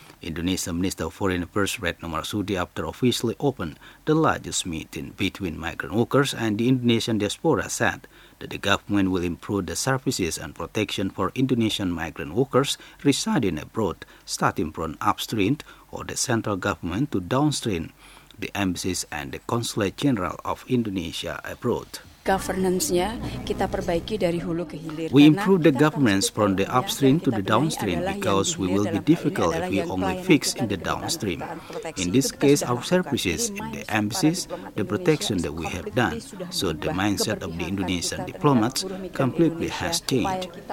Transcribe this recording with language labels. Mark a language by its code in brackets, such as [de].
[en] Indonesian Minister of Foreign Affairs Retno Marsudi after officially opened the largest meeting between migrant workers and the Indonesian diaspora said that the government will improve the services and protection for Indonesian migrant workers residing abroad, starting from upstream or the central government to downstream, the embassies and the consulate general of Indonesia abroad. [id] Governance-nya kita perbaiki dari hulu ke hilir. [en] We improve the governance from the upstream to the downstream because we will be difficult if we only fix in the downstream. In this case, our services in the embassies, the protection that we have done, so the mindset of the Indonesian diplomats completely has changed.